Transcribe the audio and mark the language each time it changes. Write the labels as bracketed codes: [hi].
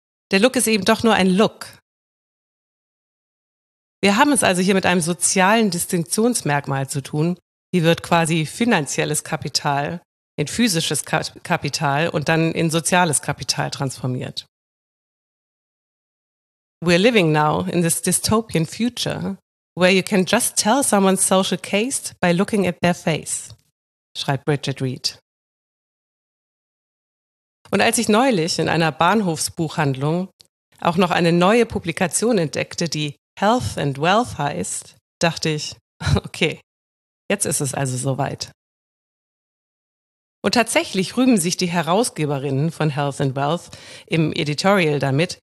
[de] Der Look ist eben doch nur ein Look. Wir haben es also hier mit einem sozialen Distinktionsmerkmal zu tun. Wie wird quasi finanzielles Kapital in physisches Kapital und dann in soziales Kapital transformiert? [en] We're living now in this dystopian future where you can just tell someone's social caste by looking at their face, schreibt Bridget Reed. [de] Und als ich neulich in einer Bahnhofsbuchhandlung auch noch eine neue Publikation entdeckte, die Health and Wealth heißt, dachte ich, okay. Jetzt ist es also soweit. Und tatsächlich rühmen sich die Herausgeberinnen von Health and Wealth im Editorial damit,